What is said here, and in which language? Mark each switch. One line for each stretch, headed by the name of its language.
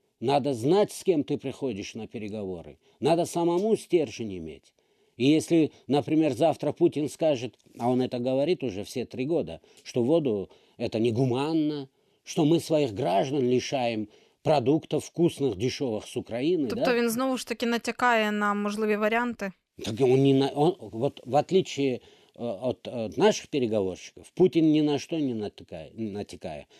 Russian: Надо знать, с кем ты приходишь на переговоры. Надо самому стержень иметь. И если, например, завтра Путин скажет, а он это говорит уже все 3 года, что воду это негуманно, что мы своих граждан лишаем продуктов вкусных, дешевых с Украины.
Ukrainian: Тобто да? Він знову ж таки натякає на можливі варіанти.
Russian: Так он не на, он, вот в отличие от наших переговорщиков, Путин ни на что не натякає.